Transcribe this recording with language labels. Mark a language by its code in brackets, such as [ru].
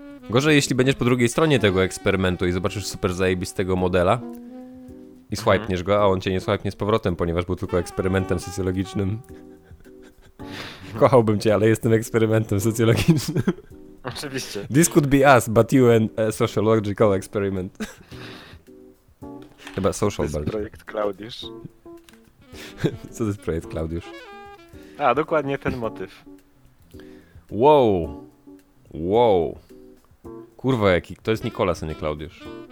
[pl] Gorzej jeśli będziesz po drugiej stronie tego eksperymentu i zobaczysz super zajebistego modela i swajpniesz go, a on cię nie swajpnie z powrotem, ponieważ był tylko eksperymentem socjologicznym. Kochałbym cię, ale jestem eksperymentem socjologicznym. Oczywiście. [en] This could be us, but you and a sociological experiment. [pl] Chyba social bardziej. To jest projekt Klaudiusz. Co to jest projekt Klaudiusz? A, dokładnie ten motyw. Wow. Kurwa jaki, to jest Nikolas, a nie Klaudiusz.